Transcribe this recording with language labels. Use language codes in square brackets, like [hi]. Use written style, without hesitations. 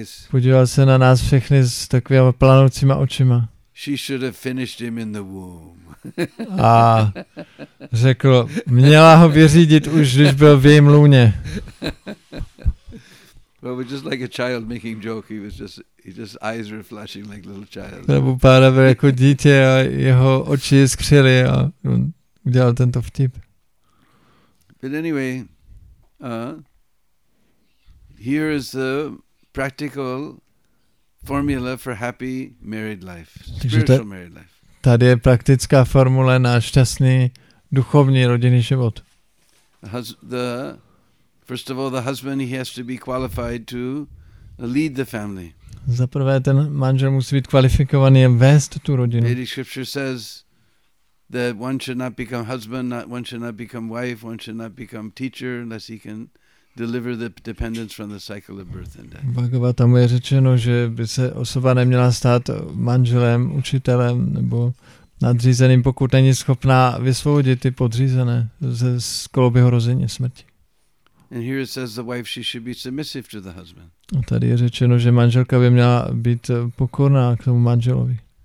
[cs] Podíval se na nás všechny s takovými planoucíma očima. [en] She should have finished him in the womb. [cs] A řekl, měla ho vyřídit už, když byl v jejím lůně. [en] Well, we're just like a child making joke. His eyes were flashing like little child. [cs] Prabhupada byl jako dítě a jeho oči skřily a udělal tento vtip. [en] But anyway, here is the practical formula for happy married life, spiritual married life. [cs] Tady je praktická formule na šťastný duchovní rodinný život. [en] First of all, the husband, he has to be qualified to lead the family. [cs] Za prvé, ten manžel musí být kvalifikovaný vést tu rodinu. [en] Vedic scripture says that one should not become husband, one should not become wife, one should not become teacher unless he can deliver the dependence from the cycle of birth and death. [cs] Bhagavatam je řečeno, že by se osoba neměla stát manželem, učitelem nebo nadřízeným, pokud není schopná vysvobodit ty podřízené ze kolběho rození smrti. [en] And here it says the wife, she should be submissive to the husband. [cs] A tady je řečeno, že manželka by měla být pokorná k tomu manželovi.